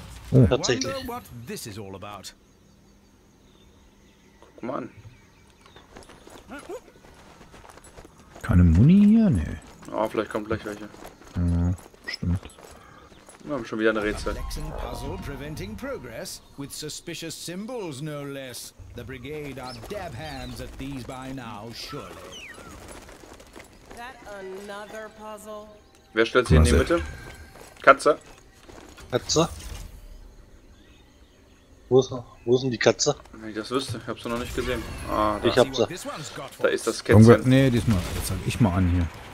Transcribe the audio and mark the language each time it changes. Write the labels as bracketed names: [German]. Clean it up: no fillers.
[German] Oh. Tatsächlich. [English] What this is all about. [German] Guck mal an. Keine Muni hier? Ne. Ah, oh, vielleicht kommt gleich welche. Ja, stimmt. Wir haben schon wieder ein Rätsel. [English] Flexing puzzle preventing progress with suspicious symbols no less. The brigade are dab hands at these by now, surely. That another puzzle. [German] Wer stellt sich in die Mitte? Katze. Katze? Wo ist denn die Katze? Wenn ich das wüsste, ich hab's noch nicht gesehen. Ah, da. Ich hab's. Da ist das Kätzchen. Nee, diesmal. Jetzt sag ich mal an hier.